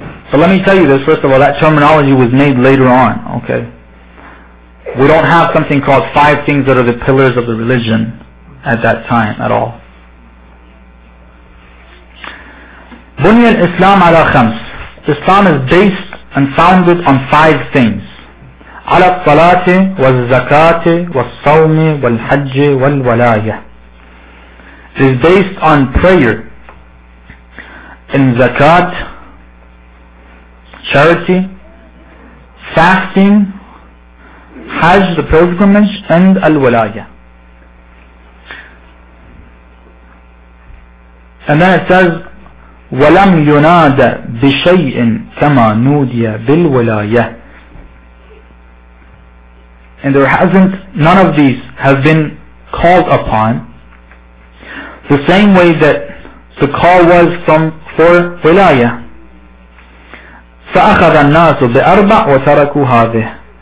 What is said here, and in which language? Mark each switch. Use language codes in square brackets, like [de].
[en] But let me tell you this, first of all, that terminology was made later on, okay? We don't have something called five things that are the pillars of the religion at that time at all. [ar] Bunya al-Islam ala khams. [en] Islam is based and founded on five things. [ar] على الصلاة والزكاة والصوم والحج والولاية. [en] It is based on prayer, in zakat, charity, fasting, hajj, the pilgrimage, and al-wilaya. And then it says, [ar] وَلَمْ يُنَادَ بِشَيْءٍ كَمَا نُودِيَ بِالْوِلَايَةِ. [en] And there hasn't, none of these have been called upon the same way that the call was from for wilaya. [ar] فَأَخَذَ النَّاسُ بِأَرْبَعْ وَتَرَكُوا هَذِهِ.